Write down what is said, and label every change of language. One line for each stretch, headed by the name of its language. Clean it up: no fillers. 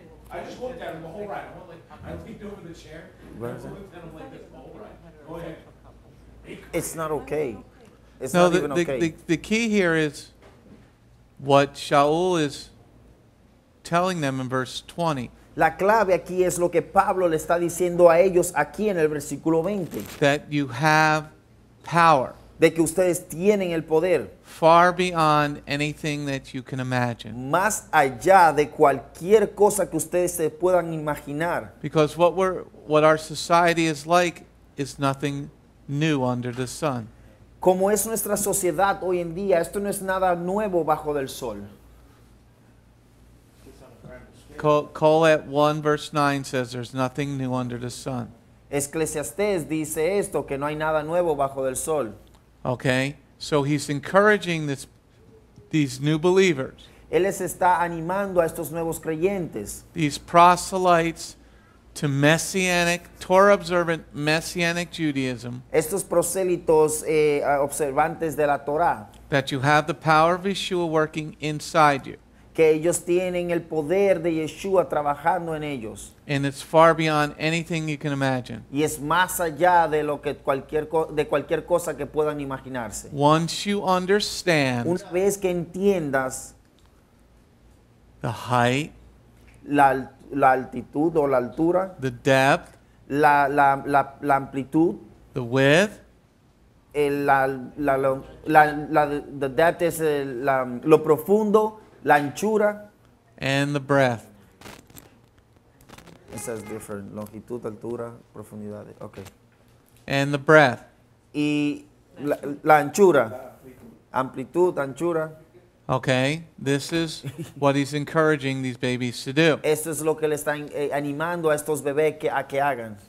English: I just looked at him the whole ride. I leaned over the chair. Right. And I looked at him like this the whole ride. Go ahead. It's not okay. It's no, not the, even okay. The key here is what Sha’ul is telling them in verse 20.
Spanish: La clave aquí es lo que Pablo le está diciendo a ellos aquí en el versículo 20.
English: That you have power.
Spanish: De que ustedes tienen el poder.
English: Far beyond anything that you can imagine.
Spanish: Más allá de cualquier cosa que ustedes se puedan imaginar.
English: Because what our society is like is nothing new under the sun.
Spanish: Como es nuestra sociedad hoy en día, esto no es nada nuevo bajo del sol.
English: Colet 1 verse 9 says there's nothing new under the sun.
Spanish: Eclesiastes dice esto, que no hay nada nuevo bajo del sol.
English: Okay, so he's encouraging these new believers.
Spanish: Él les está animando a estos nuevos creyentes.
English: These proselytes to Messianic, Torah observant Messianic Judaism.
Spanish: Estos prosélitos observantes de la Torah.
English: That you have the power of Yeshua working inside you.
Spanish: Que ellos tienen el poder de Yeshua trabajando en ellos.
English: And it's far beyond anything you can imagine.
Spanish: Y es más allá de lo que cualquier cosa que puedan imaginarse.
English: Once you understand.
Spanish: Una vez que entiendas.
English: The height.
Spanish: La altitud o la altura.
English: The depth.
Spanish: La amplitud.
English: The width. The depth is
Spanish: lo profundo. La anchura.
English: And the breadth. It says different.
Spanish: Longitud, altura, profundidad.
English: Okay. And the breadth.
Spanish: Y la anchura. Amplitud, anchura.
English: Okay. This is what he's encouraging these babies to do.
Spanish: Esto es lo que le están animando a estos bebés a que hagan.